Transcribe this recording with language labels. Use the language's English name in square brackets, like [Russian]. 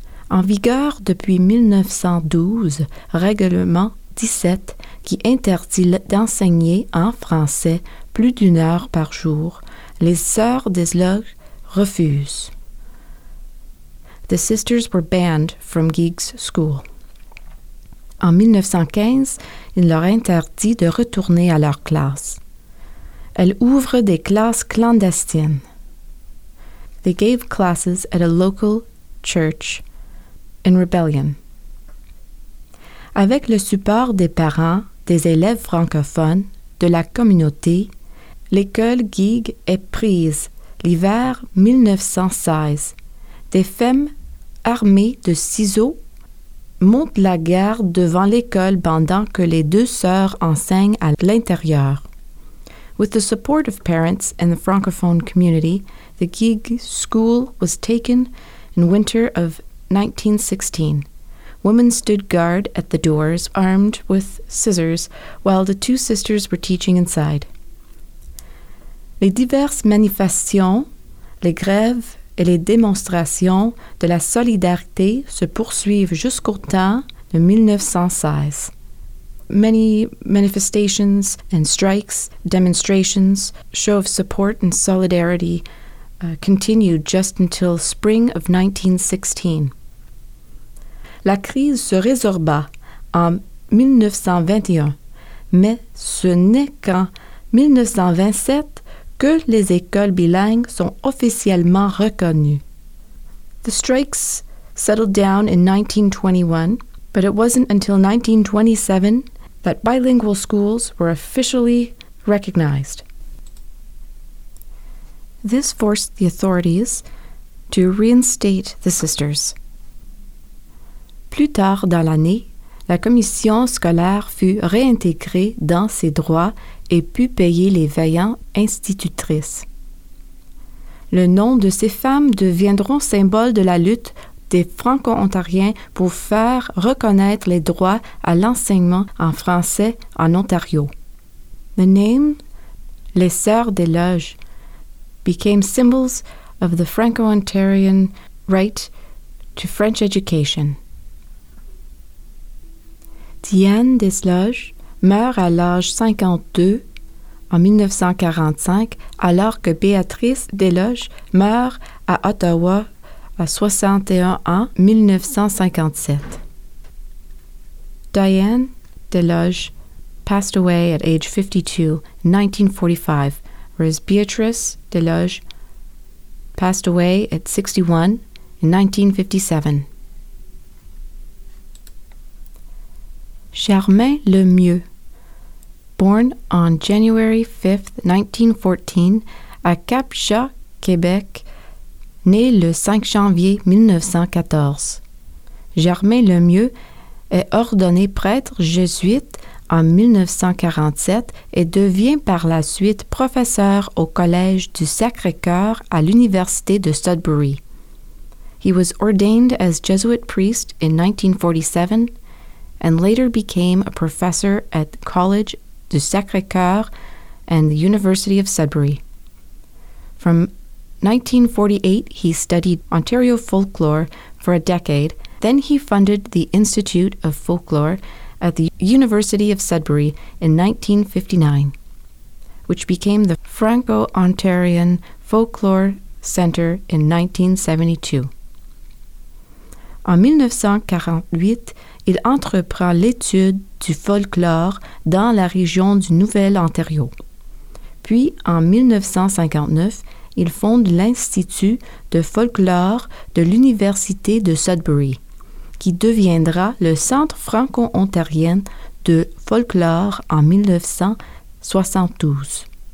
[French] En vigueur depuis 1912, Règlement 17 qui interdit d'enseigner en français plus d'une heure par jour, les sœurs Desloges refusent. [English] The sisters were banned from Guigue's school. [French] En 1915, il leur interdit de retourner à leur classe. Elles ouvrent des classes clandestines. [English] They gave classes at a local church in rebellion. [French] Avec le support des parents, des élèves francophones, de la communauté, l'école Guigue est prise l'hiver 1916. Des femmes armées de ciseaux montent la garde devant l'école pendant que les deux sœurs enseignent à l'intérieur. [English] With the support of parents and the francophone community, the Guigue school was taken in winter of 1916. Women stood guard at the doors, armed with scissors, while the two sisters were teaching inside. [French] Les diverses manifestations, les grèves et les démonstrations de la solidarité se poursuivent jusqu'au temps de 1916. [English] Many manifestations and strikes, demonstrations, show of support and solidarity continued just until spring of 1916. [French] La crise se résorba en 1921, mais ce n'est qu'en 1927 que les écoles bilingues sont officiellement reconnues. [English] The strikes settled down in 1921, but it wasn't until 1927 that bilingual schools were officially recognized. This forced the authorities to reinstate the sisters. [French] Plus tard dans l'année, la commission scolaire fut réintégrée dans ses droits et put payer les veillantes institutrices. Le nom de ces femmes deviendront symbole de la lutte des Franco-Ontariens pour faire reconnaître les droits à l'enseignement en français en Ontario. [English] The name, les Sœurs des Loges, became symbols of the Franco-Ontarian right to French education. [French] Diane Desloges meurt à l'âge 52 en 1945, alors que Béatrice Desloges meurt à Ottawa à 61 ans, 1957. [English] Diane Deloge passed away at age 52 in 1945, whereas Beatrice Deloge passed away at 61 in 1957. [French] Germain Lemieux, [English] born on January 5, 1914, [French] à Cap-Jacques, Québec, né le 5 janvier 1914. Germain Lemieux est ordonné prêtre jésuite en 1947 et devient par la suite professeur au Collège du Sacré-Cœur à l'Université de Sudbury. [English] He was ordained as Jesuit priest in 1947 and later became a professor at the College du Sacré-Cœur and the University of Sudbury. From 1948, he studied Ontario folklore for a decade. Then he funded the Institute of Folklore at the University of Sudbury in 1959, which became the Franco-Ontarian Folklore Center in 1972. [French] En 1948, il entreprend l'étude du folklore dans la région du Nouvel Ontario. Puis, en 1959, il fonde l'Institut de folklore de l'Université de Sudbury, qui deviendra le Centre franco-ontarien de folklore en 1972.